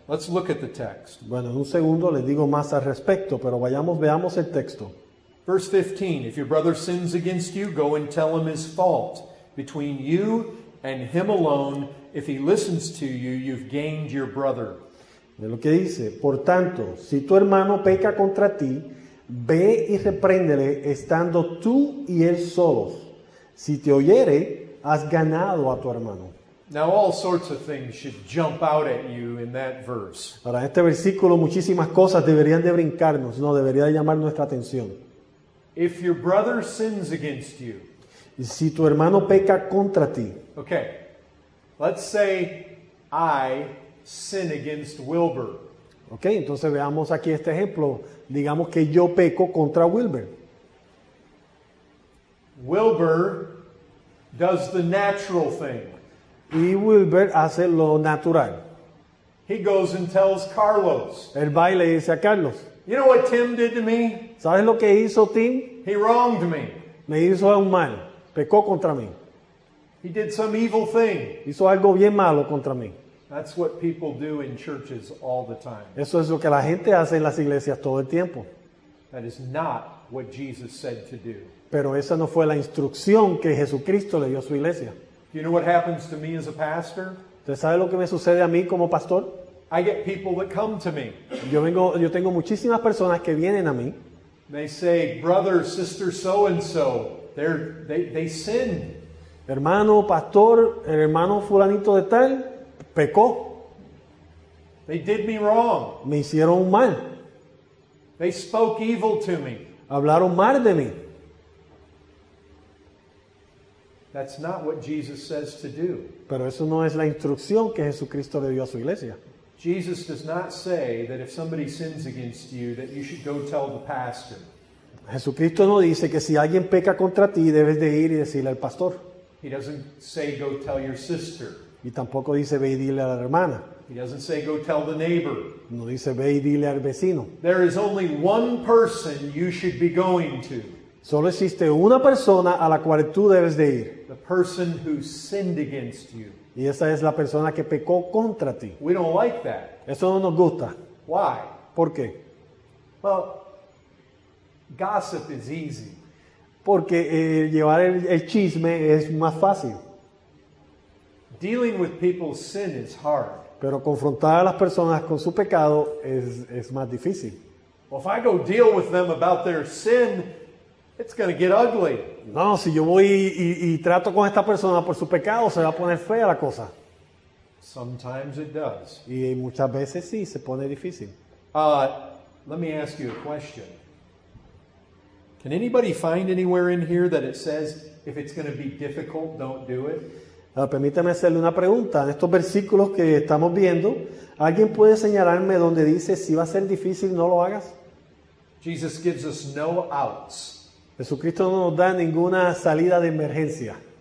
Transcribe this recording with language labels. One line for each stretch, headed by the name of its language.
English: Let's look at the text.
Spanish: Bueno, en un segundo les digo más al respecto, pero veamos el texto.
English: Verse 15, if your brother sins against you, go and tell him his fault between you and him alone. If he listens to you, you've gained your brother.
Spanish: Mira lo que dice, por tanto, si tu hermano peca contra ti, ve y repréndele estando tú y él solos. Si te oyere, has ganado a tu hermano.
English: Now all sorts of things should jump out at you in that verse.
Spanish: Ahora, en este versículo muchísimas cosas deberían de brincarnos, no, debería de llamar nuestra atención.
English: If your brother sins against you.
Spanish: Si tu hermano peca contra ti.
English: Okay. Let's say I sin against Wilbur.
Spanish: Okay, entonces veamos aquí este ejemplo. Digamos que yo peco contra Wilbur.
English: Wilbur does the natural thing.
Spanish: Y Wilbur hace lo natural.
English: He goes and tells Carlos.
Spanish: Él va y le dice a Carlos.
English: You know what Tim did to me?
Spanish: ¿Sabes lo que hizo Tim?
English: He wronged me.
Spanish: Me hizo un mal. Pecó contra mí.
English: He did some evil thing.
Spanish: Hizo algo bien malo contra mí.
English: That's what people do in churches all the time.
Spanish: Eso es lo que la gente hace en las iglesias todo el tiempo.
English: That is not what Jesus said to do.
Spanish: Pero esa no fue la instrucción que Jesucristo le dio a su iglesia.
English: You know what happens to me as a pastor?
Spanish: ¿Usted sabe lo que me sucede a mí como pastor?
English: I get people that come to me.
Spanish: Yo tengo muchísimas personas que vienen a mí.
English: They say, brother, sister, so and so, they sin.
Spanish: Hermano, pastor, el hermano fulanito de tal, pecó.
English: They did me wrong.
Spanish: Me hicieron mal.
English: They spoke evil to me.
Spanish: Hablaron mal de mí.
English: That's not what Jesus says to do.
Spanish: Pero eso no es la instrucción que Jesucristo le dio a su iglesia.
English: Jesus does not say that if somebody sins against you that you should go tell the pastor.
Spanish: Jesucristo no dice que si alguien peca contra ti debes de ir y decirle al pastor.
English: He doesn't say go tell your sister.
Spanish: Y tampoco dice ve y dile a la hermana.
English: He doesn't say go tell the neighbor.
Spanish: No dice ve y dile al vecino.
English: There is only one person you should be going to.
Spanish: Solo existe una persona a la cual tú debes de ir.
English: The person who sinned against you.
Spanish: Y esa es la persona que pecó contra ti.
English: We don't like that.
Spanish: Eso no nos gusta.
English: Why?
Spanish: ¿Por qué?
English: Well, gossip is easy.
Spanish: Porque llevar el chisme es más fácil.
English: Dealing with people's sin is hard.
Spanish: Pero confrontar a las personas con su pecado es más difícil.
English: Well, if I go deal with them about their sin, it's going to get ugly.
Spanish: No, si yo voy y trato con esta persona por su pecado, se va a poner fea la cosa.
English: Sometimes it does.
Spanish: Y muchas veces sí, se pone difícil.
English: Let me ask you a question. Can anybody find anywhere in here that it says, if it's going to be difficult, don't do it?
Spanish: Permítame hacerle una pregunta. En estos versículos que estamos viendo, ¿alguien puede señalarme donde dice, si va a ser difícil, no lo hagas?
English: Jesus gives us no outs.
Spanish: Jesucristo no nos da ninguna salida de emergencia.